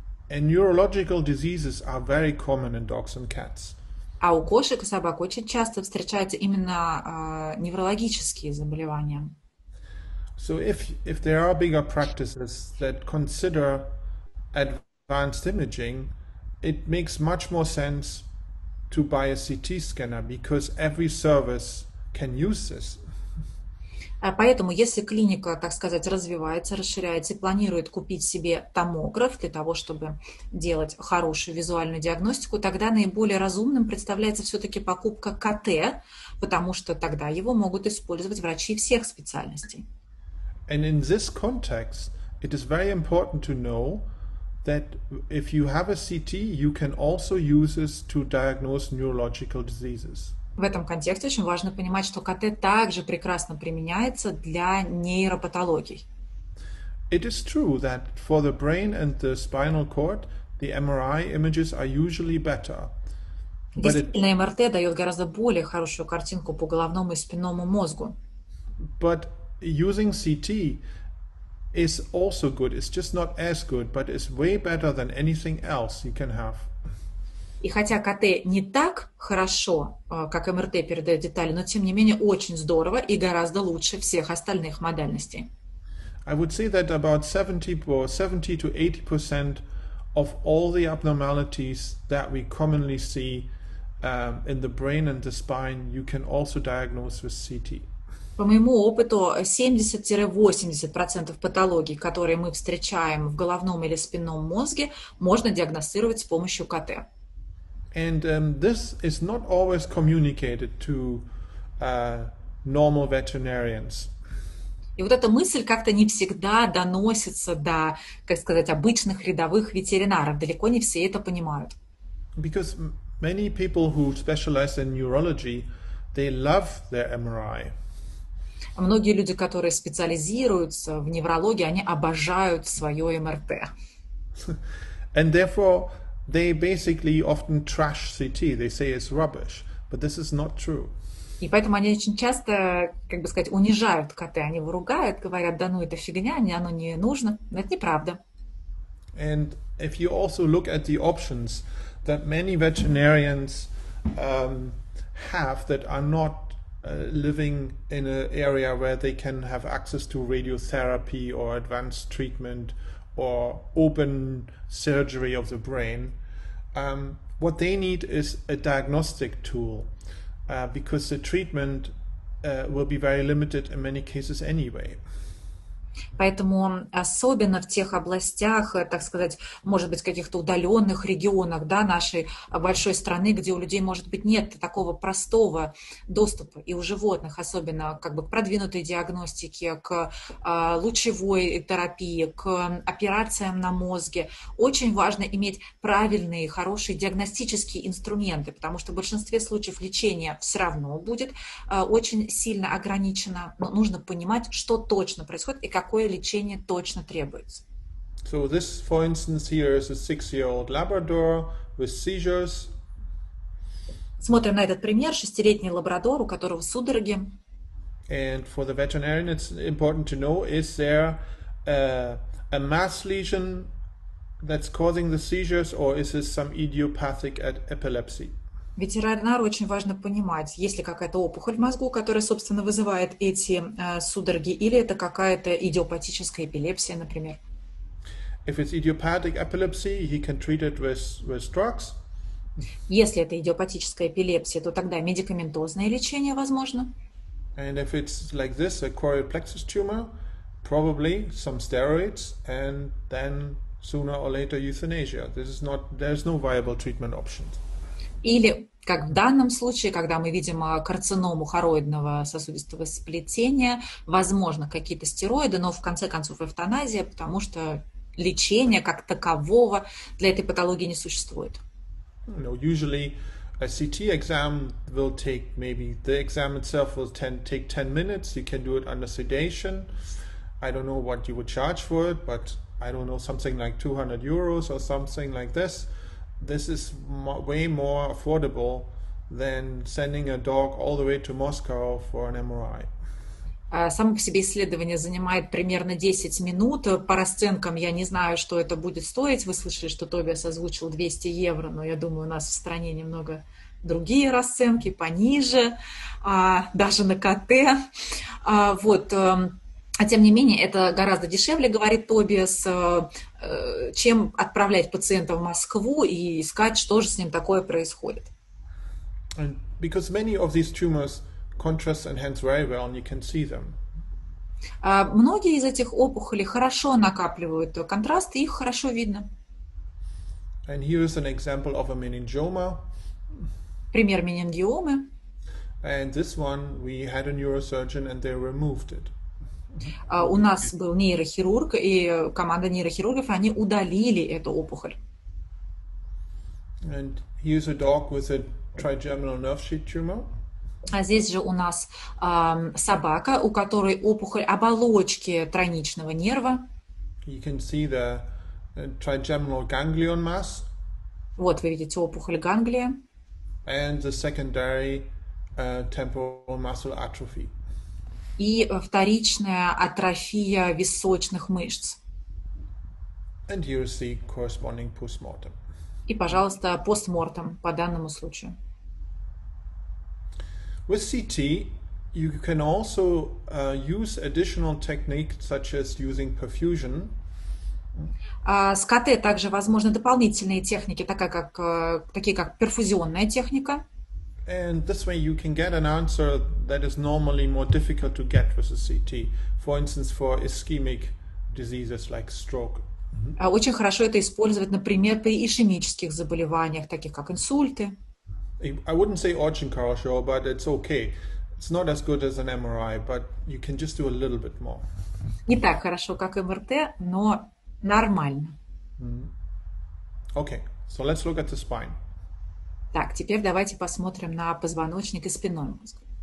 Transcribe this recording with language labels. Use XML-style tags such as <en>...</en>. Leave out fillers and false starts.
<en>And neurological diseases are very common in dogs and cats.</en> <ru>А у кошек и собак очень часто встречаются именно неврологические заболевания.</ru> <en>So if there are bigger practices that consider advanced imaging, it makes much more sense to buy a CT scanner because every service can use this.</en> <ru>Поэтому, если клиника, так сказать, развивается, расширяется и планирует купить себе томограф для того, чтобы делать хорошую визуальную диагностику, тогда наиболее разумным представляется все-таки покупка КТ, потому что тогда его могут использовать врачи всех специальностей.</ru> <en>And in this context, it is very important to know that if you have a CT, you can also use this to diagnose neurological diseases.</en> <ru>В этом контексте очень важно понимать, что КТ также прекрасно применяется для нейропатологий.</ru> <en>It is true that for the brain and the spinal cord, the MRI images are usually better.</en> <ru>Действительно, МРТ дает гораздо более хорошую картинку по головному и спинному мозгу.</ru> <en>But using CT is also good. It's just not as good, but it's way better than anything else you can have.</en> <ru>И хотя КТ не так хорошо, как МРТ передает детали, но тем не менее очень здорово и гораздо лучше всех остальных модальностей.</ru> <en>I would say that about 70 to 80% of all the abnormalities that we commonly see in the brain and the spine, you can also diagnose with CT.</en> <ru>По моему опыту, 70-80% патологий, которые мы встречаем в головном или спинном мозге, можно диагностировать с помощью КТ.</ru> <en>And this is not always communicated to normal veterinarians.</en> <ru>И вот эта мысль как-то не всегда доносится до, как сказать, обычных рядовых ветеринаров. Далеко не все это понимают.</ru> <en>Because many people who specialize in neurology, they love their MRI.</en> <ru>Многие люди, которые специализируются в неврологии, они обожают свое МРТ.</ru> <en>And therefore, they basically often trash CT. They say it's rubbish, but this is not true.</en> <ru>И поэтому они очень часто, как бы сказать, унижают КТ. Они его ругают, говорят, да ну это фигня, оно не нужно. Это неправда.</ru> <en>And if you also look at the options that many veterinarians have that are not living in an area where they can have access to radiotherapy or advanced treatment or open surgery of the brain, what they need is a diagnostic tool because the treatment will be very limited in many cases anyway.</en> <ru>Поэтому особенно в тех областях, так сказать, может быть, каких-то удаленных регионах, да, нашей большой страны, где у людей, может быть, нет такого простого доступа и у животных, особенно как бы к продвинутой диагностике, к лучевой терапии, к операциям на мозге, очень важно иметь правильные, хорошие диагностические инструменты, потому что в большинстве случаев лечение все равно будет очень сильно ограничено, но нужно понимать, что точно происходит и какое лечение точно требуется.</ru> <en>So this, for instance, here is a 6-year-old Labrador with seizures.</en> <ru>Смотрим на этот пример, 6-летний лабрадор, у которого судороги.</ru> <en>And for the veterinarian, it's important to know, is there a mass lesion that's causing the seizures, or is this some idiopathic epilepsy?</en> <ru>Ветеринару очень важно понимать, есть ли какая-то опухоль в мозгу, которая, собственно, вызывает эти судороги, или это какая-то идиопатическая эпилепсия, например.</ru> <en>If it's idiopathic epilepsy, he can treat it with drugs.</en> <ru>Если это идиопатическая эпилепсия, то тогда медикаментозное лечение возможно.</ru> <en>And if it's like this, a choroid plexus tumor, probably some steroids, and then sooner or later euthanasia. This is not, there's no viable treatment options.</en> <ru>Или, как в данном случае, когда мы видим карциному хороидного сосудистого сплетения, возможно, какие-то стероиды, но в конце концов эвтаназия, потому что лечения как такового для этой патологии не существует.</ru> <en>No, usually a CT exam will take maybe the exam itself will take 10 minutes. You can do it under sedation. I don't know what you would charge for it, but I don't know, something like 200 euros or something like this. This is way more affordable than sending a dog all the way to Moscow for an MRI.</en> <ru>Само по себе исследование занимает примерно 10 минут. По расценкам я не знаю, что это будет стоить. Вы слышали, что Тобиас озвучил 200 евро, но я думаю, у нас в стране немного другие расценки, пониже, даже на КТ. Вот. А тем не менее, это гораздо дешевле, говорит Тобиас, чем отправлять пациента в Москву и искать, что же с ним такое происходит.</ru> <en>Because many of these tumors contrast and hence very well, and you can see them.</en> <ru>Многие из этих опухолей хорошо накапливают контраст, и их хорошо видно.</ru> <en>And here is an example of a meningioma.</en> <ru>Пример менингиомы.</ru> <en>And this one we had a neurosurgeon and they removed it.</en> <ru>У нас был нейрохирург и команда нейрохирургов, они удалили эту опухоль.</ru> <en>And here's a dog with a trigeminal nerve sheath tumor.</en> <ru>А здесь же у нас собака, у которой опухоль оболочки тройничного нерва.</ru> <en>You can see the trigeminal ganglion mass.</en> <ru>Вот вы видите опухоль ганглия.</ru> <en>And the secondary temporal muscle atrophy.</en> <ru>И вторичная атрофия височных мышц.</ru> <en>And here is the corresponding postmortem.</en> <ru>И, пожалуйста, постмортем по данному случаю.</ru> <en>With CT, you can also use additional techniques such as using perfusion.</en> <ru>С КТ также возможны дополнительные техники, такие как перфузионная техника.</ru> <en>And this way you can get an answer that is normally more difficult to get with a CT. For instance, for ischemic diseases like stroke.</en> <ru>Очень хорошо это использовать, например, при ишемических заболеваниях, таких как инсульты.</ru> <en>I wouldn't say</en> <ru>очень хорошо,</ru> <en>but it's okay. It's not as good as an MRI, but you can just do a little bit more.</en> <ru>Не так хорошо, как МРТ, но нормально. Okay, so let's look at the spine. Так, теперь давайте посмотрим на позвоночник и спинной мозг.</ru>